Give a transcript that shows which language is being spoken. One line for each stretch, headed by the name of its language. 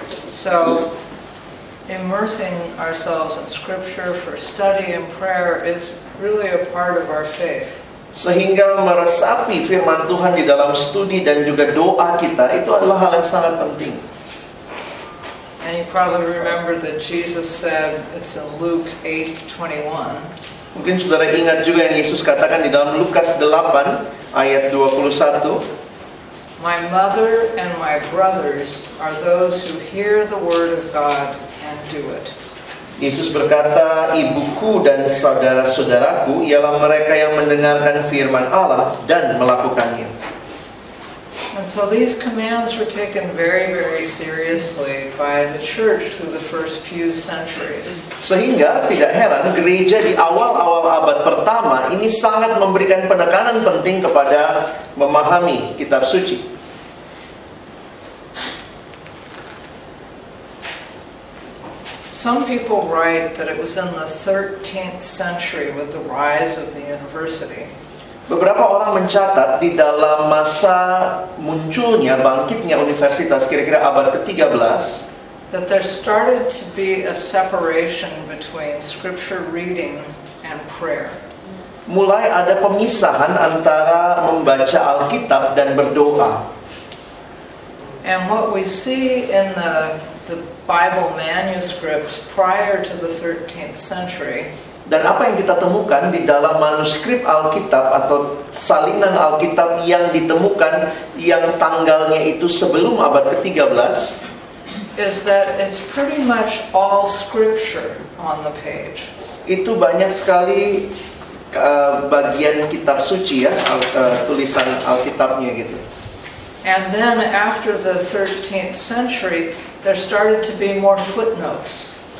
English: So, immersing ourselves in scripture for study and prayer is really a part of our faith.
Indonesian: Sehingga meresapi firman Tuhan di dalam studi dan juga doa kita itu adalah hal yang sangat penting.
English: And you probably remember that Jesus said it's in Luke 8:21.
Indonesian: Mungkin saudara ingat juga yang Yesus katakan di dalam Lukas 8 ayat 21.
English: My mother and my brothers are those who hear the word of God and do it.
Indonesian: Yesus berkata, ibuku dan saudara-saudaraku ialah mereka yang mendengarkan firman Allah dan melakukannya.
English: And so these commands were taken very, very seriously by the church through the first few centuries.
Indonesian: Sehingga tidak heran gereja di awal-awal abad pertama ini sangat memberikan penekanan penting kepada memahami kitab suci.
English: Some people write that it was in the 13th century with the rise of the university.
Indonesian: Beberapa orang mencatat di dalam masa munculnya, bangkitnya universitas kira-kira abad ke-13,
English: that there started to be a separation between scripture reading and prayer.
Indonesian: Mulai ada pemisahan antara membaca Alkitab dan berdoa.
English: And what we see in the Bible manuscripts prior to the 13th century.
Indonesian: Dan apa yang kita temukan di dalam manuskrip Alkitab atau salinan Alkitab yang ditemukan yang tanggalnya itu sebelum abad ke-13
English: is that it's pretty much all scripture on the page.
Indonesian: Itu banyak sekali bagian kitab suci ya, tulisan Alkitabnya gitu.
English: And then after the 13th century there started to be more footnotes.